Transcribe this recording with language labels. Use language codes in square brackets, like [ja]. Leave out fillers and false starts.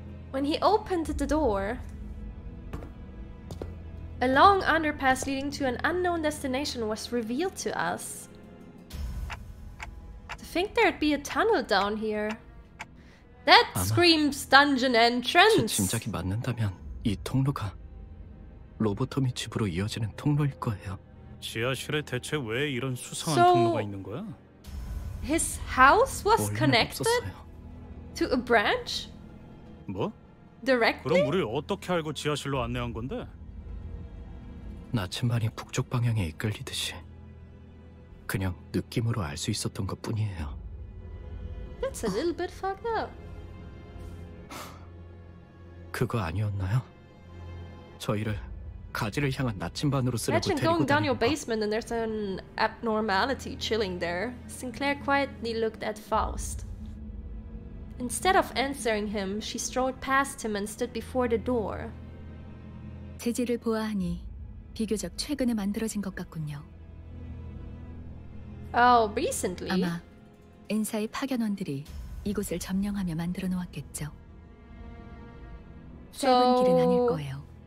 [en] When he opened the door, a long underpass leading to an unknown destination was revealed to us. I think there'd be a tunnel down here. That screams dungeon entrance. [ko] 제 짐작이 맞는다면 이 통로가 로보토미 집으로 이어지는 통로일 거예요. 지하실에 대체 왜 이런 수상한 통로가 있는 거야? [en] His house was connected to a branch? [ko] 뭐? [en] Directly? [ko] 그럼 우리 어떻게 알고 지하실로 안내한 건데? 나침반이 북쪽 방향에 이끌리듯이 그냥 느낌으로 알 수 있었던 것 뿐이에요. [en] That's a little bit fucked up. [ko] 그거 아니었나요? 저희를 가지를 향한 나침반으로 쓰려고 데리고 [en] Imagine going down your basement and there's an abnormality chilling there. Sinclair quietly looked at Faust. Instead of answering him, she strode past him and stood before the door. [ko] 재질을 보아하니 비교적 최근에 만들어진 것 같군요. [en] Oh, recently. [ko] 아마 엔사의 파견원들이 이곳을 점령하며 만들어 놓았겠죠. 짧은 길은 아닐 거예요.